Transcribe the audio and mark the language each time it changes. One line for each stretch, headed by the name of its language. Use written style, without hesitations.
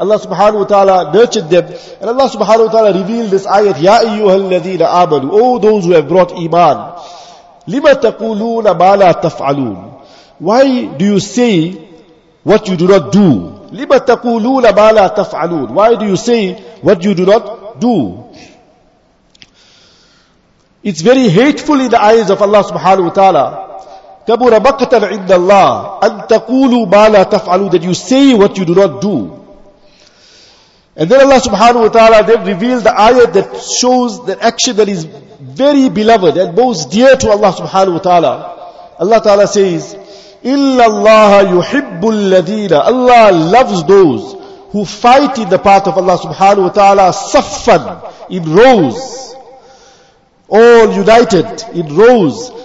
English: Allah subhanahu wa ta'ala nurtured them. And Allah subhanahu wa ta'ala revealed this ayat, Ya ayyuhal ladhina amanu, O those who have brought iman,
Arabic: لِمَ تَقُولُونَ مَا لَا تَفْعَلُونَ
English: Why do you say what you do not do?
Arabic: لِمَ تَقُولُونَ مَا لَا تَفْعَلُونَ
English: Why do you say what you do not do? It's very hateful in the eyes of Allah subhanahu wa ta'ala.
Arabic: كَبُرَ مَقْتًا عِنَّ اللَّهِ أَن تَقُولُوا مَا لَا تَفْعَلُونَ
English: That you say what you do not do. And then Allah subhanahu wa ta'ala then revealed the ayat that shows the action that is very beloved and most dear to Allah subhanahu wa ta'ala. Allah ta'ala says,
Arabic: إِلَّا اللَّهَ يُحِبُّ الَّذِينَ
English: Allah loves those who fight in the path of Allah subhanahu wa ta'ala صَفًّا in rows, all united in rows.